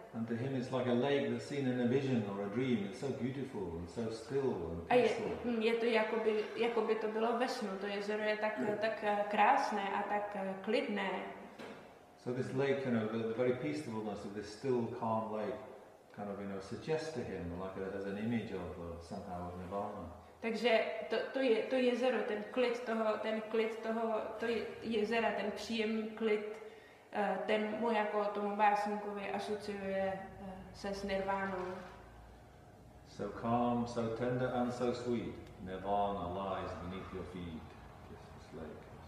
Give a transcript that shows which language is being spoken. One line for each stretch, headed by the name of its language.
English: And to him it's like a lake that's seen in a vision or a dream. It's so beautiful and so still and peaceful.
Czech: A je to jakoby to bylo ve snu. To jezero je tak krásné a tak klidné.
English: So this lake, you know, the very peacefulness of this still, calm lake, kind of, you know, suggests to him like as an image of somehow of nirvana.
Czech: Takže to jezero, ten klid toho jezera, ten příjemný klid, ten mu jako tomu básníkovi asociuje se s nirvánou.
English: So calm, so tender and so sweet, nirvana lies beneath your feet, this lake.